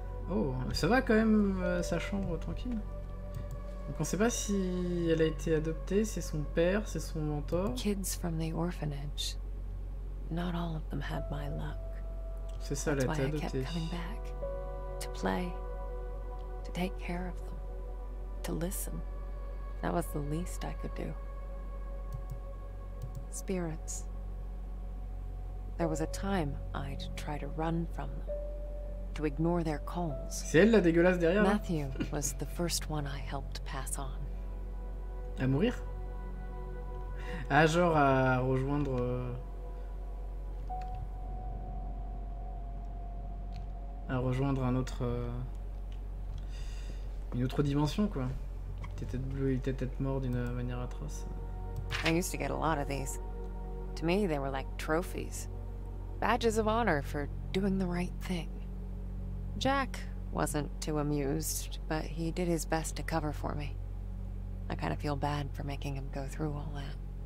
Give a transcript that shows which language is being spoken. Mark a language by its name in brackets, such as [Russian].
[French] Oh, ça va quand même, sa chambre, tranquille. Donc on sait pas si elle a été adoptée, c'est son père, c'est son mentor. [English] Kids from the orphanage. Not all of them had my luck. [French] C'est ça, elle a été adoptée. [English] Coming back to play, to take care of them, to listen. That was the least I could do. Spirits. There was a time I'd try to run from them, to ignore their calls. [French] C'est elle la dégueulasse derrière. [English] Matthew was the first one I helped pass on. [French] À mourir? Ah, genre à rejoindre. À rejoindre un autre. Une autre dimension, quoi. Il était peut-être bleu, il était peut-être mort d'une manière atroce. [English] I used to get a lot of these. To me, they were like trophies. Badges of honor for doing the right thing. Jack wasn't too amused, but he did his best to cover for me. I kind of feel bad for making him go through all that.